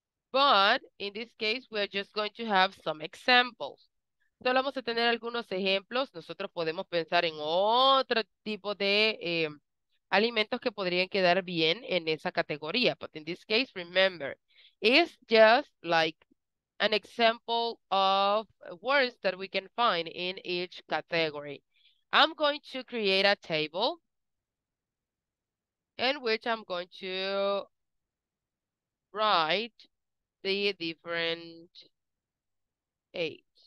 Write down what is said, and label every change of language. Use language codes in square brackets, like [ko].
[en] But in this case, we are just going to have some examples. [es] Solo vamos a tener algunos ejemplos. Nosotros podemos pensar en otro tipo de alimentos que podrían quedar bien en esa categoría. [en] But in this case, remember, it's just like an example of words that we can find in each category. I'm going to create a table in which I'm going to write the different eight.